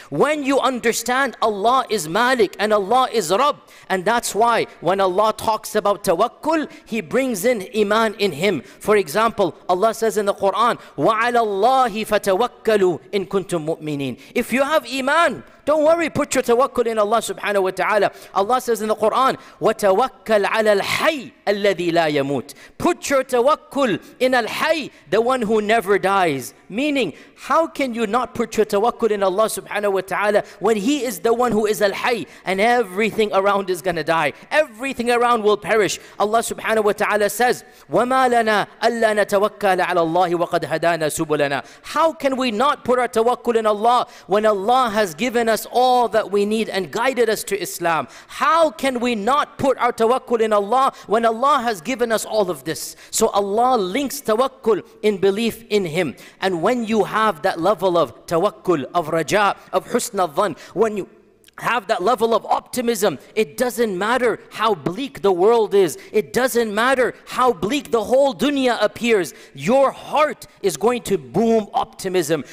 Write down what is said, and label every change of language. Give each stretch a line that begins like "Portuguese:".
English: When you understand Allah is Malik and Allah is Rabb, and that's why when Allah talks about tawakkul, He brings in iman in Him. For example, Allah says in the Quran,
Arabic: وَعَلَى اللَّهِ فَتَوَكَّلُوا إِن كُنْتُم مُؤْمِنِينَ.
English: If you have iman, don't worry, put your tawakkul in Allah subhanahu wa ta'ala. Allah says in the Quran,
Arabic: وَتَوَكَّلْ عَلَى الْحَيِّ الَّذِي لَا يَمُوتُ.
English: Put your tawakkul in al-hayy, the one who never dies. Meaning, how can you not put your tawakkul in Allah subhanahu wa ta'ala when He is the one who is al-hayy and everything around is going to die? Everything around will perish. Allah subhanahu wa ta'ala says,
Arabic: وَمَا لَنَا أَلَّا نَتَوَكَّلَ عَلَى اللَّهِ وَقَدْ هَدَانَا سُبُلَنَا.
English: How can we not put our tawakkul in Allah when Allah has given us all that we need and guided us to Islam? How can we not put our tawakkul in Allah when Allah has given us all of this? So Allah links tawakkul in belief in Him. And when you have that level of tawakkul, of raja, of husn al-dhan, when you have that level of optimism, it doesn't matter how bleak the world is, it doesn't matter how bleak the whole dunya appears, your heart is going to boom optimism.